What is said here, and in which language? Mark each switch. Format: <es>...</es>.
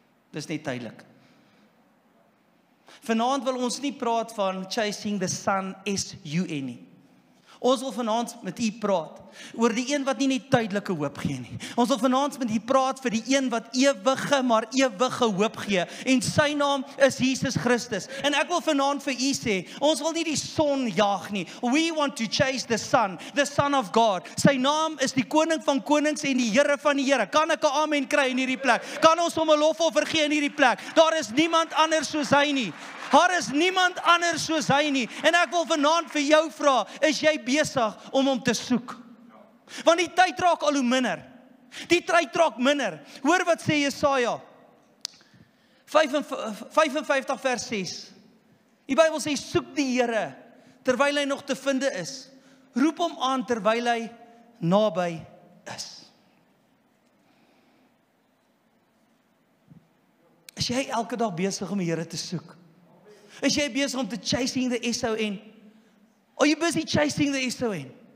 <af>Dis net tydelik. Vanaand wil ons nie praat van Chasing the Sun S-U-N nie. Ons wil vanaand met u praat oor die een wat nie net tydelike hoop gee nie. Ons wil vanaand met u praat vir die een wat ewige, maar ewige hoop gee. En sy naam is Jesus Christus. En ek wil vanaand vir u sê, ons wil nie die son jag nie.</af> <en>We want to chase the son of God.</en> <af>Sy naam is die koning van konings en die Here van die Here. Kan ek 'n amen kry in hierdie plek? Kan ons hom 'n lofoffer gee in hierdie plek? Daar is niemand anders soos hy nie. Daar is niemand anders soos hy nie. En ek wil vanaand vir jou vra, is jy besig om hom te soek? Want die tyd raak al hoe minder. Die tyd raak minder. Hoor wat sê Jesaja. 55 vers 6. Die Bybel sê, soek die Here terwyl hy nog te vinde is. Roep hom aan terwyl hy naby is. Is jy elke dag besig om die Here te soek? Is jy besig om te</af> <en>chasing the S-O-N? Are you busy chasing the S-O-N?</en>